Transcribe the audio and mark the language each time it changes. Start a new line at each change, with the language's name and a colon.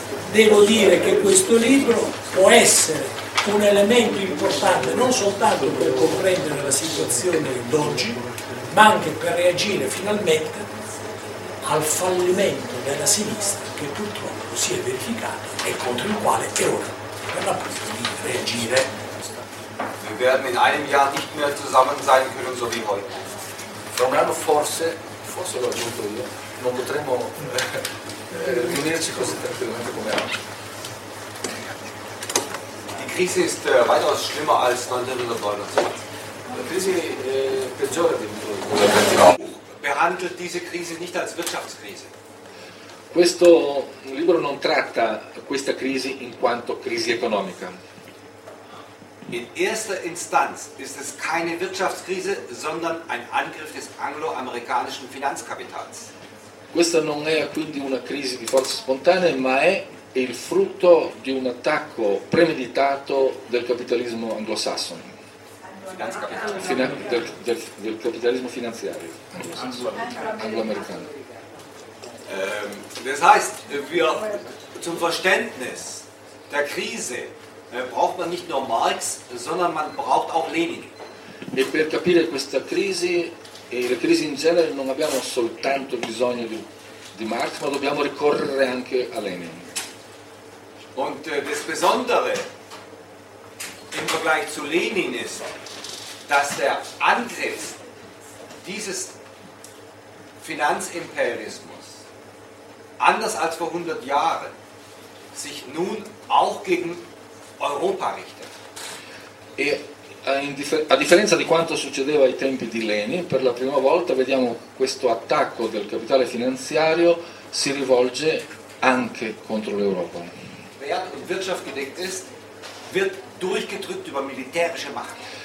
Italian: Devo dire che questo libro può essere un elemento importante non soltanto per comprendere la situazione d'oggi, ma anche per reagire finalmente al fallimento della sinistra che purtroppo si è verificato e contro il quale è ora per l'appunto di reagire.
German: Wir werden in einem Jahr nicht mehr zusammen sein können, so wie heute.
Italian: Fra un anno forse l'ho aggiunto io, non potremo riunirci così tranquillamente come oggi.
German: Die Krise ist weitaus schlimmer als 1929.
Italian: La crisi è peggiore di 1929.
German: Behandelt diese Krise nicht als Wirtschaftskrise.
Italian: Questo libro non tratta questa crisi in quanto crisi economica.
German: In erster Instanz ist es keine Wirtschaftskrise, sondern ein Angriff des anglo-amerikanischen Finanzkapitals.
Italian: Questa non è quindi una crisi di forze spontanee, ma è il frutto di un attacco premeditato del capitalismo anglosassone. Del capitalismo finanziario anglo-americano.
German: Das heißt, wir zum Verständnis der Krise braucht man nicht nur Marx, sondern man braucht auch Lenin.
Italian: E per capire questa crisi e le crisi in genere non abbiamo soltanto bisogno di Marx, ma dobbiamo ricorrere anche a Lenin.
German: Und das Besondere im Vergleich zu Lenin ist, dass der Angriff dieses Finanzimperialismus anders als vor 100 Jahren sich nun auch gegen Europa richtet.
Italian: A differenza di quanto succedeva ai tempi di Lenin, per la prima volta vediamo questo attacco del capitale finanziario si rivolge anche contro l'Europa.
German: Wert und Wirtschaft gedeckt ist, wird durchgedrückt über militärische Macht.